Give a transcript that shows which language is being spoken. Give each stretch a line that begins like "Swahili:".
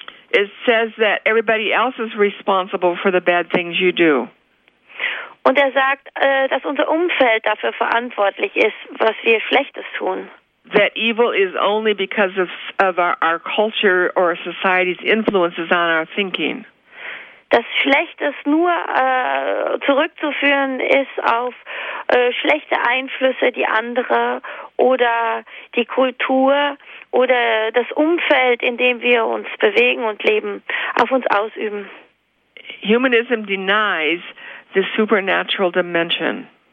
English: It says that everybody else is responsible for the bad things you do.
German: Und er sagt, dass unser Umfeld dafür verantwortlich ist, was wir Schlechtes tun.
English: That evil is only because of our culture or society's influences on our thinking.
German: Dass Schlechtes nur zurückzuführen ist auf schlechte Einflüsse, die andere oder die Kultur oder das Umfeld, in dem wir uns bewegen und leben, auf uns ausüben.
English: Humanism denies the supernatural dimension.